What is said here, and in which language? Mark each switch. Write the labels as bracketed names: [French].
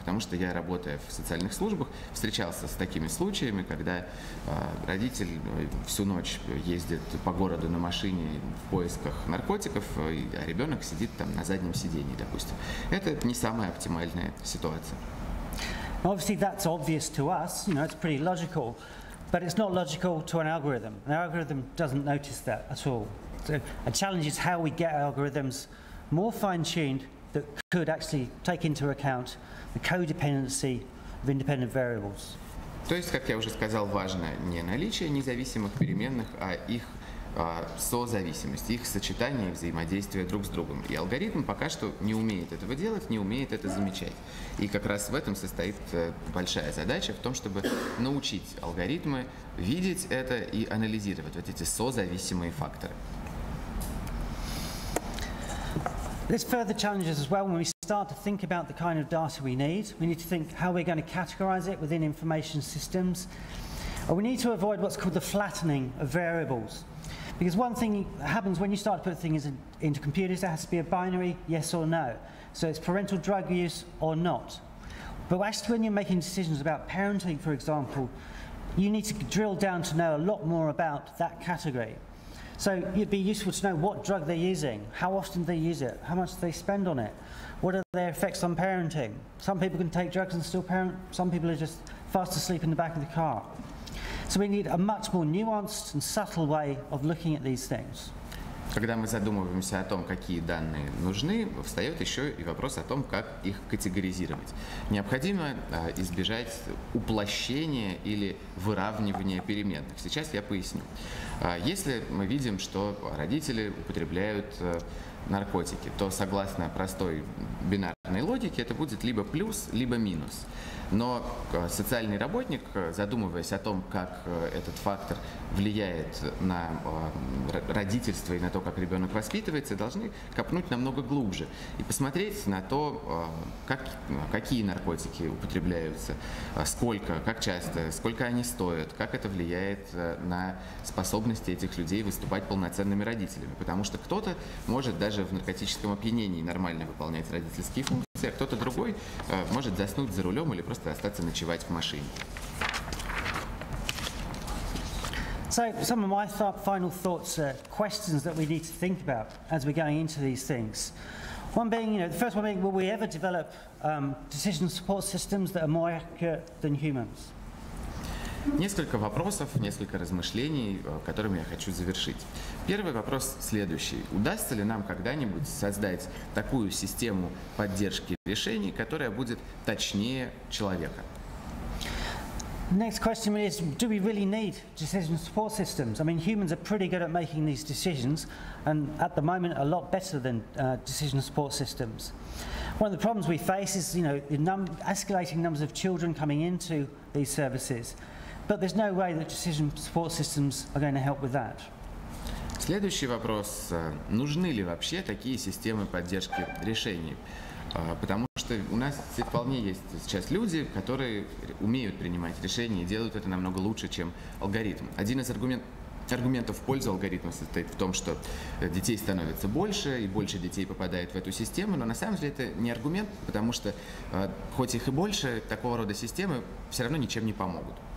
[Russian] Потому что я, работая в социальных службах, встречался с такими случаями, когда родитель всю ночь ездит по городу на машине в поисках наркотиков, а ребенок сидит там на заднем сиденье, допустим. Это не самая оптимальная ситуация. [English] Obviously, that's obvious to us, you know, it's pretty logical, but it's not logical to an algorithm. An algorithm doesn't notice that at all. So a challenge is how we get algorithms more fine-tuned that could actually take into account the codependency of independent variables. [Russian] То есть, как я уже сказал, важно не наличие независимых переменных, а их созависимость, их сочетание и взаимодействие друг с другом. И алгоритм пока что не умеет этого делать, не умеет это замечать. И как раз в этом состоит большая задача, в том, чтобы научить алгоритмы видеть это и анализировать вот эти созависимые факторы. [English] There's further challenges as well when we start to think about the kind of data we need. We need to think how we're going to categorize it within information systems. And we need to avoid what's called the flattening of variables. Because one thing happens when you start to put things into computers, there has to be a binary, yes or no. So it's parental drug use or not. But actually when you're making decisions about parenting, for example, you need to drill down to know a lot more about that category. So it'd be useful to know what drug they're using, how often they use it, how much they spend on it, what are their effects on parenting. Some people can take drugs and still parent, some people are just fast asleep in the back of the car. So we need a much more nuanced and subtle way of looking at these things. [Russian] Когда мы задумываемся о том, какие данные нужны, встает еще и вопрос о том, как их категоризировать. Необходимо избежать уплощения или выравнивания переменных. Сейчас я поясню. Если мы видим, что родители употребляют наркотики, то согласно простой бинарной логике это будет либо плюс, либо минус. Но социальный работник, задумываясь о том, как этот фактор влияет на родительство и на то, как ребенок воспитывается, должны копнуть намного глубже и посмотреть на то, какие наркотики употребляются, сколько, как часто, сколько они стоят, как это влияет на способности этих людей выступать полноценными родителями. Потому что кто-то может даже в наркотическом опьянении нормально выполнять родительские функции, а кто-то другой может заснуть за рулем или просто остаться ночевать в машине. [English] So some of my final thoughts are questions that we need to think about as we're going into these things. One being, you know, the first one being, will we ever develop decision support systems that are more accurate than humans? [Russian] Несколько вопросов, несколько размышлений, которыми я хочу завершить. Первый вопрос следующий. Удастся ли нам когда-нибудь создать такую систему поддержки решений, которая будет точнее человека? [English] Next question is, do we really need decision support systems? I mean, humans are pretty good at making these decisions, and at the moment a lot better than decision support systems. One of the problems we face is, you know, the escalating numbers of children coming into these services. But there's no way that decision support systems are going to help with that. [Russian] Следующий вопрос. Нужны ли вообще такие системы поддержки решений? Потому что у нас вполне есть сейчас люди, которые умеют принимать решения и делают это намного лучше, чем алгоритм. Один из аргументов в пользу алгоритма состоит в том, что детей становится больше, и больше детей попадает в эту систему, но на самом деле это не аргумент, потому что хоть их и больше, такого рода системы все равно ничем не помогут.